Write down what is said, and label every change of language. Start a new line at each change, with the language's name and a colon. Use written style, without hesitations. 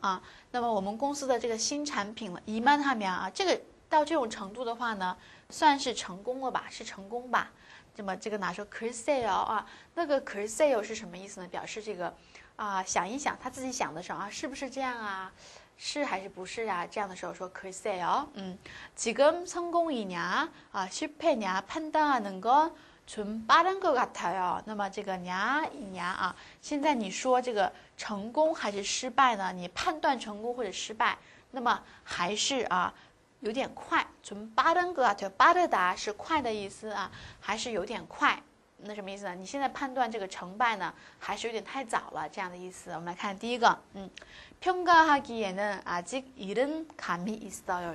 Chinese: 아, 那么我们公司的这个新产品了，
Korean: 이만 하면
Chinese: 啊，这个到这种程度的话呢，算是成功了吧？是成功吧？那么这个拿出 글쎄요 啊，那个 글쎄요 是什么意思呢？表示这个啊，想一想，他自己想的时候啊，是不是这样啊？是还是不是啊？这样的时候说
Korean: 글쎄요 지금 성공이냐 아 실패냐 판단하는 건좀 빠른 것 같아요.
Chinese: 那么这个냐이냐啊，现在你说这个成功还是失败呢？你判断成功或者失败，那么还是啊有点快。
Korean: 좀빠른것 같아요.
Chinese: 빠르다是快的意思啊，还是有点快。那什么意思呢？你现在判断这个成败呢，还是有点太早了这样的意思。我们来看第一个，
Korean: 평가하기에는 아직 이른 감이 있어요.